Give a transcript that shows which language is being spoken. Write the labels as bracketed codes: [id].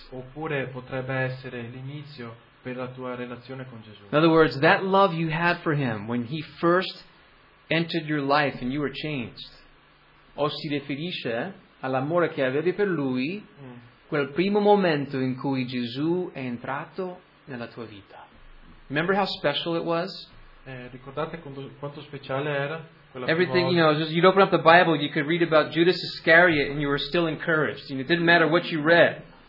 [it] Oppure potrebbe essere l'inizio per la tua relazione con Gesù. [en] In other words, that love you had for him when he first entered your life and you were changed. [it] O si riferisce all'amore che avevi per lui quel primo momento in cui Gesù è entrato nella tua vita. [en] Remember how special it was? [it] Ricordate quanto speciale era quella. [en] Everything, you know, just, you'd open up the Bible, you could read about Judas Iscariot and you were still encouraged. You know, it didn't matter what you read.